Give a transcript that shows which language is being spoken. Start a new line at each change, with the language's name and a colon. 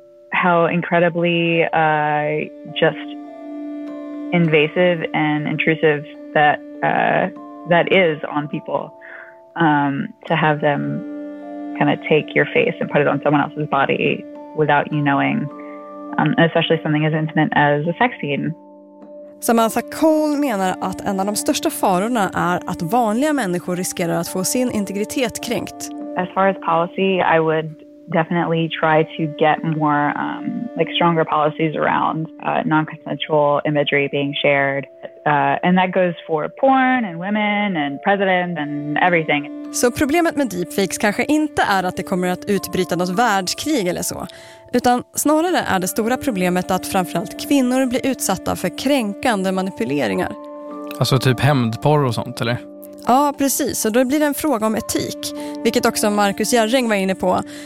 English: How incredibly just invasive and intrusive that is on people. To have them kind of take your face and put it on someone else's body without you knowing. Especially something as intimate as a sex scene.
Swedish: Samantha Cole menar att en av de största farorna är att vanliga människor riskerar att få sin integritet kränkt.
English: As far as policy, I would definitely try to get more stronger policies around non-consensual imagery being shared. And that goes for porn and women and president and everything.
Swedish: Så problemet med deepfakes kanske inte är att det kommer att utbryta något världskrig eller så. Utan snarare är det stora problemet att framförallt kvinnor blir utsatta för kränkande manipuleringar. Alltså typ hämndporr och sånt, eller? Ja, precis. Och då blir det en fråga om etik. Vilket också Marcus Järring var inne på.